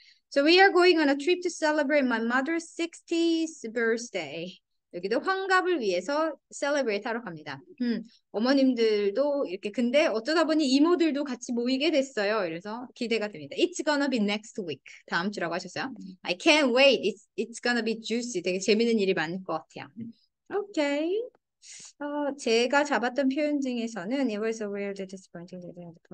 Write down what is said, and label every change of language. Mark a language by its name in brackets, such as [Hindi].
[English] So we are going on a trip to celebrate my mother's 60th birthday. [Korean] 여기도 환갑을 위해서 celebrate 하러 갑니다. 어머님들도 이렇게 근데 어쩌다 보니 이모들도 같이 모이게 됐어요. 그래서 기대가 됩니다. [English] It's gonna be next week. [Korean] 다음 주라고 하셨어요. [English] I can't wait. It's gonna be juicy. [Korean] 되게 재밌는 일이 많을 것 같아요. [English] Okay. [Korean] 제가 잡았던 표현 중에서는 [English] It was a real disappointing day.